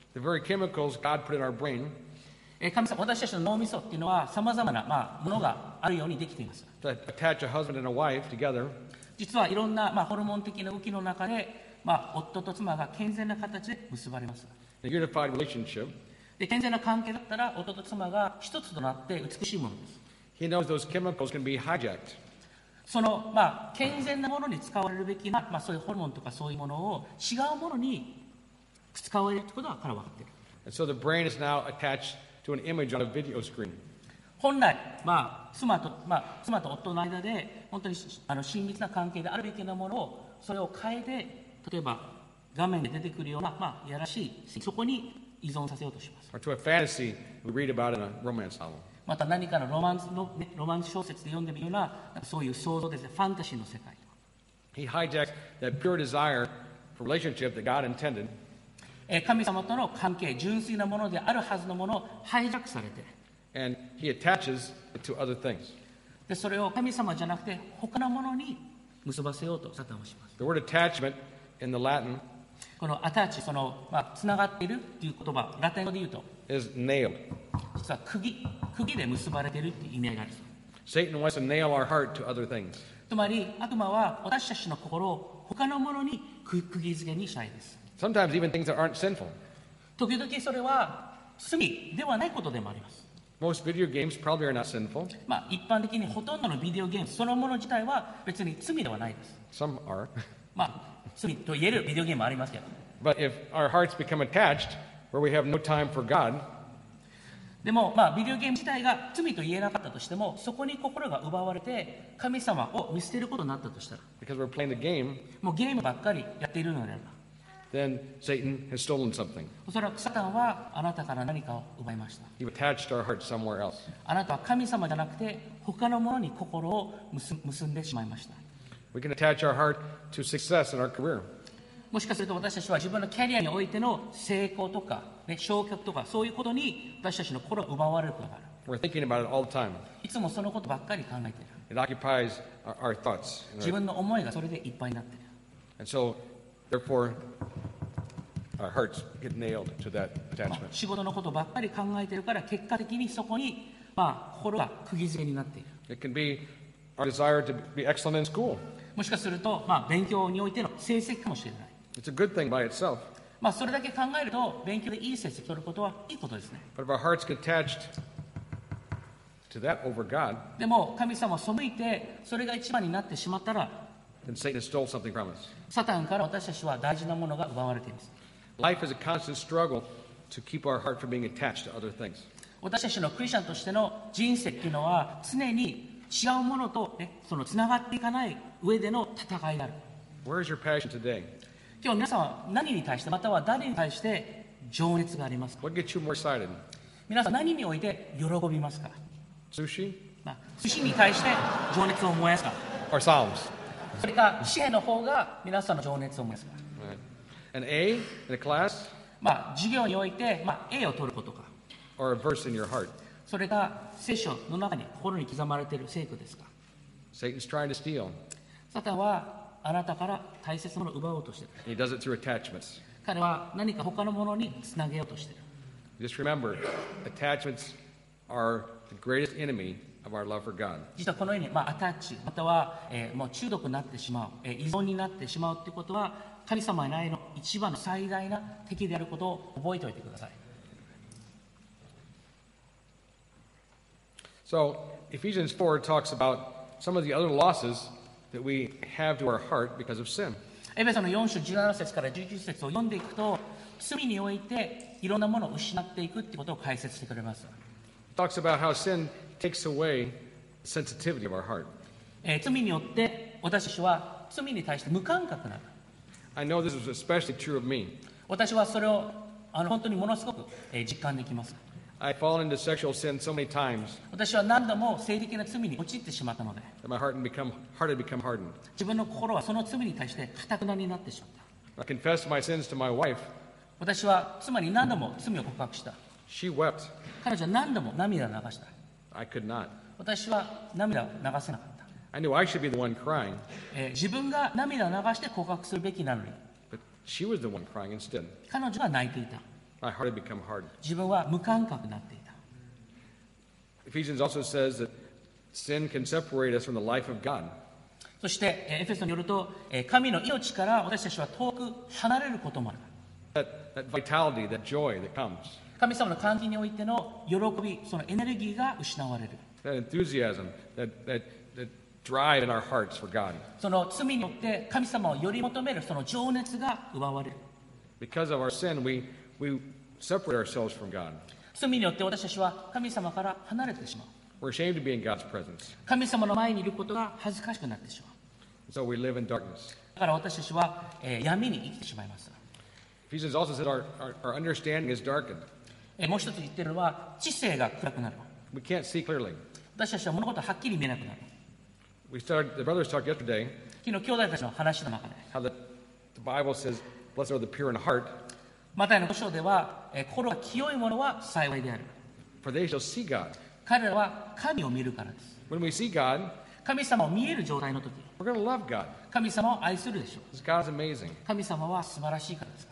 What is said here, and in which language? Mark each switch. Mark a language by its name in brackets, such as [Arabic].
[English] The very chemicals God put in our brain. [Japanese] 神様、私たちの脳みそっていうのはさまざまな、まあ、ものがあるようにできています。 [English] To attach a husband and a wife together. [Japanese] 実はいろんな、まあ、ホルモン的な動きの中で、まあ、夫と妻が健全な形で結ばれます。 [English] A unified relationship. [Japanese] で健全な関係だったら夫と妻が一つとなって美しいものです。 [English] He knows those chemicals can be hijacked. [Japanese] その、まあ、健全なものに使われるべきな、まあ、そういうホルモンとかそういうものを違うものに使われるってことは彼は分かっている。 [English] And so the brain is now attached to an image on a video screen. [Japanese] 本来、まあ 妻と夫の間で本当にあの親密な関係であるべきなものをそれを変えて、例えば画面で出てくるような、まあ、いやらしい、そこに依存させようとします。 [English] Or to a fantasy we read about in a romance novel. [Japanese] また何かのロマンス小説で読んでみるような、そういう想像ですね、ファンタジーの世界。 [English] He hijacks that pure desire for relationship that God intended. [Japanese] 神様との関係、純粋なものであるはずのものをハイジャックされて、 [English] And he attaches it to other things. [Japanese] でそれを神様じゃなくて他のものに結ばせようとサタンはします。 [English] The word attachment in the Latin, [Japanese] この attach、その、まあ、つながっているという言葉、ラテン語で言うと、 [English] is nailed. [Japanese] 実は釘で結ばれているという意味合いがあります。 [English] Satan wants to nail our heart to other things. [Japanese] つまり悪魔は私たちの心を他のものに釘付けにしたいです。 [English] Sometimes even things that aren't sinful. [Japanese] 時々それは罪ではないことでもあります。 [English] Most video games probably are not sinful. [Japanese] まあ一般的にほとんどのビデオゲームそのもの自体は別に罪ではないです。 [English] Some are. [Japanese] まあ罪と言えるビデオゲームもありますけど。 [English] But if our hearts become attached, where we have no time for God. [Japanese] でもまあビデオゲーム自体が罪と言えなかったとしても、そこに心が奪われて神様を見捨てることになったとしたら。 [English] Because we're playing the game. [Japanese] もうゲームばっかりやっているのであれば。 [English] Then Satan has stolen something. [Japanese] おそらくサタンはあなたから何かを奪いました。 [English] He attached our heart somewhere else. [Japanese] あなたは神様じゃなくて他のものに心を結んでしまいました。 [English] We can attach our heart to success in our career. [Japanese] もしかすると私たちは自分のキャリアにおいての成功とか、ね、昇格とかそういうことに私たちの心を奪われることがある。 [English] We're thinking about it all the time. [Japanese] いつもそのことばっかり考えている。 [English] It occupies our thoughts. [Japanese] 自分の思いがそれでいっぱいになっている。 [English] And so,Therefore, our hearts get nailed to that attachment. [Japanese] 仕事のことばっかり考えているから結果的にそこに、まあ、心が釘付けになっている。 [English] It can be our desire to be excellent in school. [Japanese] もしかすると、まあ、勉強においての成績かもしれない。 [English] It's a good thing by itself. [Japanese] まあ、それだけ考えると勉強でいい成績を取ることはいいことですね。 [English] But if our hearts get attached to that over God, [Japanese] でも神様を背いてそれが一番になってしまったら、 [English] And Satan has stole something from us. [Japanese] サタンから私たちは大事なものが奪われています。 [English] Life is a constant struggle to keep our heart from being attached to other things. [Japanese] 私たちのクリスチャンとしての人生というのは常に違うものと、ね、そのつながっていかない上での戦いになる。 [English] Where is your passion today? [Japanese] 今日皆さんは何に対してまたは誰に対して情熱がありますか? [English] What gets you more excited? [Japanese] 皆さん何において喜びますか? [English] Sushi? [Japanese] まあ、寿司に対して情熱を燃やすか? [English] Or Psalms? [Japanese] それか詩編の方が皆さんの情熱を燃やすか。 [English] An A in a class? [Japanese] まあ授業において、まあ、A を取ることか。 [English] Or a verse in your heart? [Japanese] それが聖書の中に心に刻まれている聖句ですか。 [English] Satan's trying to steal. [Japanese] サタンはあなたから大切なものを奪おうとしている。 [English] He does it through attachments. [Japanese] 彼は何か他のものにつなげようとしている。 [English] Just remember, attachments are the greatest enemy. Of our love for God. [Japanese] 実はこのように、まあ、アタッチまたは、もう中毒になってしまう、依存になってしまうということは神様への愛の一番の最大な敵であることを覚えておいてください。 [English] So, Ephesians 4 talks about some of the other losses that we have to our heart because of sin. [Japanese] エベソの4章17節から11節を読んでいくと、罪においていろんなものを失っていくということを解説してくれます。 [English] Talks about how sin takes away sensitivity of our heart. [Japanese] 罪によって私たちは罪に対して無感覚になる。 [English] I know this is especially true of me. [Japanese] 私はそれを本当にものすごく実感できます。 [English] I fall into sexual sin so many times. [Japanese] 私は何度も性的な罪に陥ってしまったので、 [English] My heart had become hardened. [Japanese] 自分の心はその罪に対して固くなになってしまった。 [English] I confessed my sins to my wife. [Japanese] 私は妻に何度も罪を告白した。 [English] She wept. [Japanese] 彼女は何度も涙を流した。 [English] I could not. [Japanese] 私は涙を流せなかった。 [English] I knew I should be the one crying. [Japanese] 自分が涙を流して告白するべきなのに、 [English] But she was the one crying instead. [Japanese] 彼女は泣いていた。 [English] My heart had become hard. [Japanese] 自分は無感覚になっていた。 [English] Ephesians also says that sin can separate us from the life of God. [Japanese] そしてエフェソによると神の命から私たちは遠く離れることもある。 [English] That vitality, that joy that comes. [Japanese] 神様の関係においての喜び、そのエネルギーが失われる。 [English] That enthusiasm, that drive in our hearts for God. [Japanese] その罪によって神様をより求めるその情熱が奪われる。 [English] Because of our sin, we separate ourselves from God. [Japanese] 罪によって私たちは神様から離れてしまう。 [English] We're ashamed to be in God's presence. [Japanese] 神様の前にいることが恥ずかしくなってしまう。 [English] So we live in darkness. [Japanese] だから私たちは闇に生きてしまいます。 [English] Ephesians also said our understanding is darkened. [Japanese] もう一つ言ってるのは知性が暗くなる。 [English] We can't see clearly. [Japanese] 私たちは物事をはっきり見えなくなる。 [English] We started, the brothers talked yesterday, [Japanese] 昨日兄弟たちの話の中で [English] how the Bible says, Blessed are the pure in heart. [Japanese] マタイの5章では心が清いものは幸いである。 [English] For they shall see God. [Japanese] 彼らは神を見るからです。 [English] When we see God, [Japanese] 神様を見える状態の時 [English] we're going to love God. [Japanese] 神様を愛するでしょう。 [English] Because God is amazing. [Japanese] 神様は素晴らしいからです。